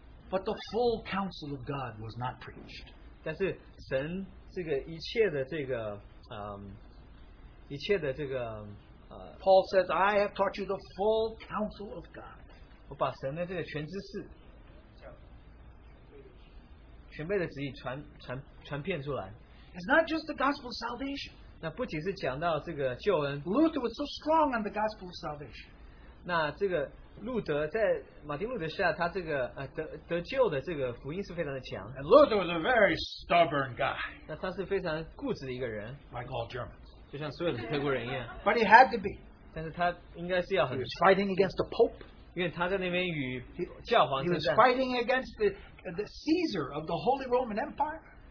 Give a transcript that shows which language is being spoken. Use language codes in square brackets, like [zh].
[en] But the full counsel of God was not preached. [zh] 但是神这个一切的这个。 [en] Paul says, I have taught you the full counsel of God. [zh] 我把神的这个全知识，全备的旨意传遍出来。 [en] It's not just the gospel of salvation. [zh] 那不仅是讲到这个救恩。 [en] Luther was so strong on the gospel of salvation. [zh] 那这个路德在马丁路德下，他这个得救的这个福音是非常的强。 [en] And Luther was a very stubborn guy. [zh] 那他是非常固执的一个人。 [en] Like all Germans. [zh] 就像所有的德国人一样。 [en] But he had to be. [zh] 但是他应该是要很。 [en] He was fighting against the Pope. [zh] 因为他在那边与教皇争战。 [en] He was fighting against the Caesar of the Holy Roman Empire.